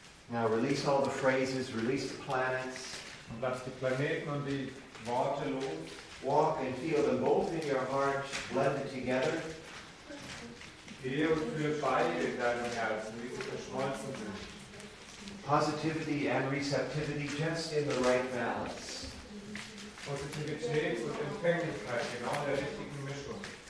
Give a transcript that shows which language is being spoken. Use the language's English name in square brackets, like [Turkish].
[English] Now release all the phrases, release the planets. [German] Und lass die Planeten und die Worte los. [English] Walk and feel them both in your heart, blended together. [German] Gehe und fühle beide in deinem Herzen, wie sie verschmolzen sind. [English] Positivity and receptivity just in the right balance. [German] Positivität und Empfänglichkeit, genau in der richtigen Mischung.